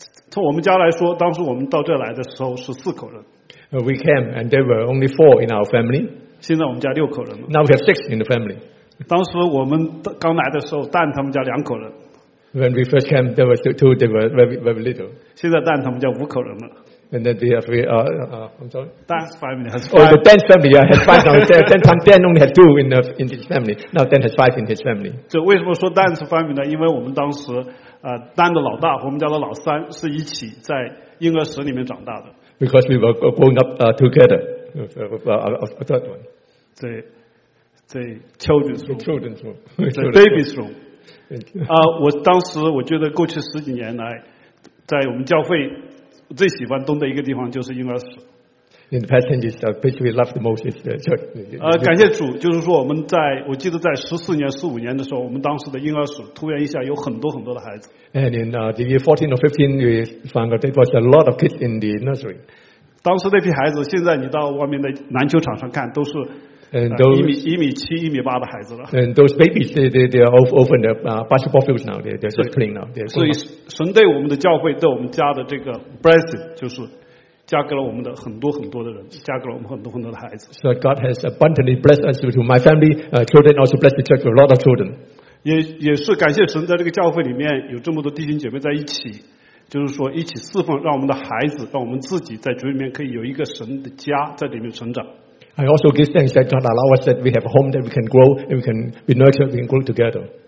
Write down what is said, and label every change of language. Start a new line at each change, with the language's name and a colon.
Chinese: 从我们家来说，当时我们到这来的时候是四口人。
English: We came, and there were only four in our family.
Chinese: 现在我们家六口人了。
English: Now we have six in the family.
Chinese: 当时我们刚来的时候，但他们家两口人。
English: When we first came, there were two. They were very little.
Chinese: 现在蛋他们家五口人了。
English: And then they have I'm sorry. Dan's family has. Oh, the Dan's family. Yeah, has five. Now, ten times Dan only had two in his family. Now Dan has five in his family.
Chinese: 这为什么说
English: Dan's family
Chinese: 呢？因为我们当时Dan 的老大和我们家的老三是一起在婴儿室里面长大的。
English: Because we were growing up together. A third one. The children's room. The children's room. The baby's room.
Chinese: 我当时我觉得过去十几年来，在我们教会最喜欢东的一个地方就是婴儿室。
English: In the past 10 years, basically loved the most is the church.
Chinese: 感谢主，就是说我们在我记得在14年、15年的时候，我们当时的婴儿室突然一下有很多很多的孩子。
English: And in the year 14 or 15, we found that there was a lot of kids in the nursery.
Chinese: 当时那批孩子，现在你到外面的篮球场上看，都是。 1米7、1米8的孩子了。
English: And those babies, they are over the basketball fields now. They're just playing now.
Chinese: 所以神对我们的教会，对我们家的这个 blessing 就是加给了我们的很多很多的人，加给了我们很多很多的孩子。
English: So God has abundantly blessed us with my family, children also blessed the church with a lot of children.
Chinese: 也是感谢神，在这个教会里面有这么多弟兄姐妹在一起，就是说一起侍奉，让我们的孩子，让我们自己在主里面可以有一个神的家在里面成长。
English: I also give thanks that God allow us that we have a home that we can grow and we can be nurtured, we can grow together.